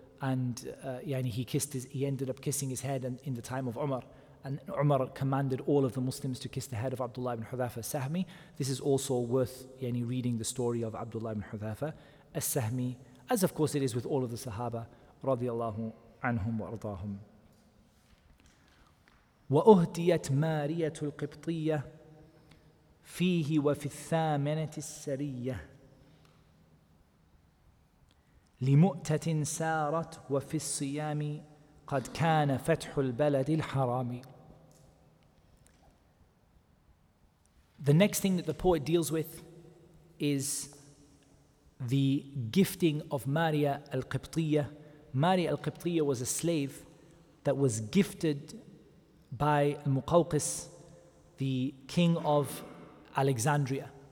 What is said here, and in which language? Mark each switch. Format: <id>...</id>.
<en>And he ended up kissing his head in the time of Umar. And Umar commanded all of the Muslims to kiss the head of Abdullah ibn Hudhafa Sahmi. This is also worth reading the story of Abdullah ibn Hudhafa Sahmi, as of course it is with all of the Sahaba, radiallahu anhum wa ardahum.</en> <ar>وأهديت مارية القبطية فيه وفي الثامنة السرية لمؤتة سارت وفي الصيام قد كان فتح البلد الحرام.</ar> <en>The next thing that the poet deals with is the gifting of Maria al-Qibtiyya. Maria al-Qibtiyya was a slave that was gifted by Muqawqis, the king of Alexandria.</en>